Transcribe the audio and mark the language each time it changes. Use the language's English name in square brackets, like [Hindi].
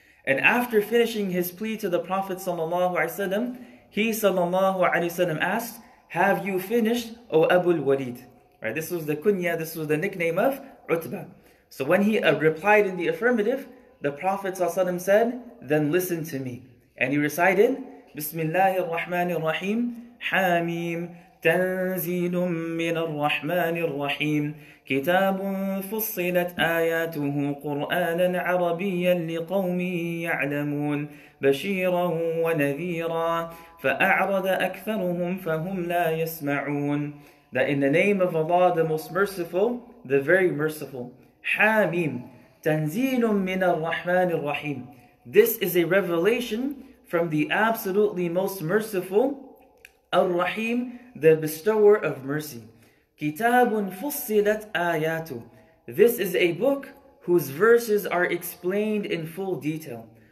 [English] And after finishing his plea to the Prophet sallallahu alaihi wasallam, he sallallahu alaihi wasallam asked, "Have you finished, O Abu al-Walid?" Right, this was the kunya, this was the nickname of Utbah. So when he replied in the affirmative, the Prophet sallallahu alaihi wasallam said, "Then listen to me." And he recited, "Bismillahir Rahmanir Rahim, Hamim." [Arabic] تنزيل من الرحمن الرحيم كتاب فصلت آياته قرآنا عربيا لقوم يعلمون بشيرا ونذيرا فأعرض أكثرهم فهم لا يسمعون. [English] That in the name of Allah, the most merciful, the very merciful. [Arabic] حاميم تنزيل من الرحمن الرحيم. [English] This is a revelation from the absolutely most merciful, Al-Rahim, the bestower of mercy. [Arabic] كِتَابٌ فُصِّلَتْ آيَاتُ. [English] This is a book whose verses are explained in full detail.